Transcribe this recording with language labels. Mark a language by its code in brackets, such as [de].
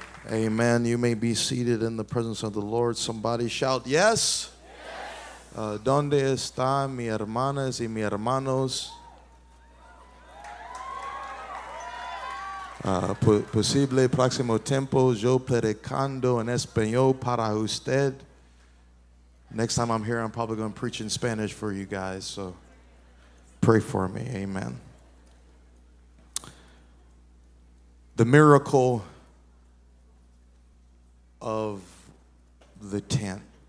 [en] Amen. You may be seated in the presence of the Lord. Somebody shout, yes. Yes. [es] ¿Dónde están mis hermanas y mis hermanos? Posible próximo tiempo yo predicando en español para usted. [en] Next time I'm here, I'm probably going to preach in Spanish for you guys. So pray for me. Amen. the miracle of the tent.